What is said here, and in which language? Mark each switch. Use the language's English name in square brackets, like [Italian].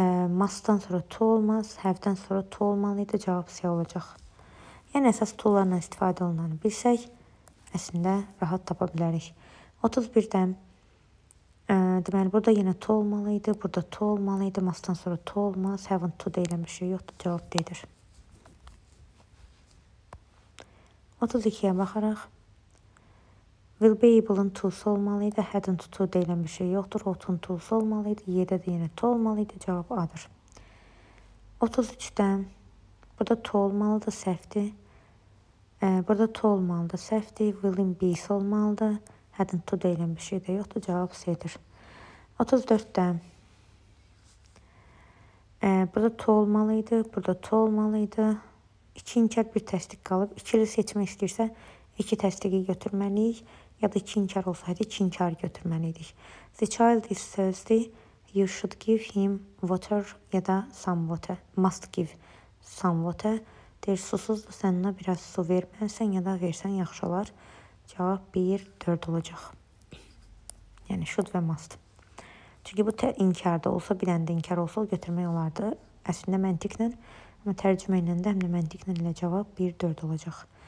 [Azerbaijani] Must-dan sonra to olmaz, have-dən sonra to olmalıydı, cavab C olacaq. Yəni, əsas to-larla istifadə olunanı bilsək, əslində, rahat tapa bilərik. 31-də, deməli, burada yenə to olmalıydı, burada to olmalıydı, must-dan sonra to olmaz, haven't to deyilən bir şey yoxdur, cavab D-dir. 32-yə baxaraq, will be able-un to-su olmalıydı, hadn't to deyilən bir şey yoxdur, ought-un to-su olmalıydı, yedə də yenə to olmalıydı, cavab A-dır. 33-də, burada to olmalıdır, səhvdir, burada to olmalıdır, səhvdir, will-in be-si olmalıdır, hadn't to deyilən bir şey də yoxdur, cavab C-dir. 34-də, burada to olmalıydı, burada to olmalıydı, iki inkar bir təsdiq qalıb, ikili seçmək istəyirsə, iki təsdiqi götürməliyik. Ya da iki inkar olsaydı, iki inkar götürməliydik. [English] The child is Thursday. you should give him water [Azerbaijani] ya da [English] some water. Must give some water. [Azerbaijani] Deyir, susuzdu, sən ona biraz su verməlisən ya da versən yaxşı olar. Cavab 1-4 olacaq. Yəni, should və must. Çünki bu inkarda olsa, bir dənə də inkar olsa, götürmək olardı. Əslində, məntiqlə, amma tərcümə ilə də həm də məntiqlə ilə cavab 1-4 olacaq.